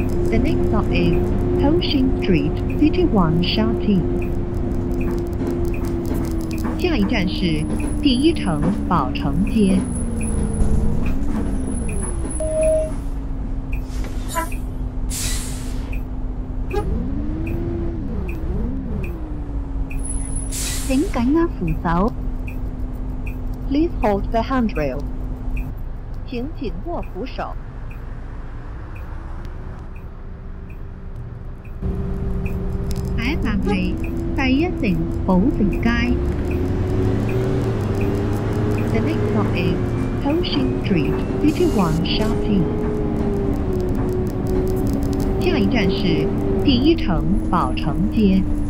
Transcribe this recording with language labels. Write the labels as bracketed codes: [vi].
[en] The next stop is Houshin Street, City 1, Shaoxing. [zh] 下一站是第一城宝城街。请紧握扶手。 [en] Please hold the handrail. [zh] 请紧握扶手。第一城寶城街。 [en] The next stop is Houshin Street, City 1, Shaoxing. [zh] 下一站是第一城寶城街。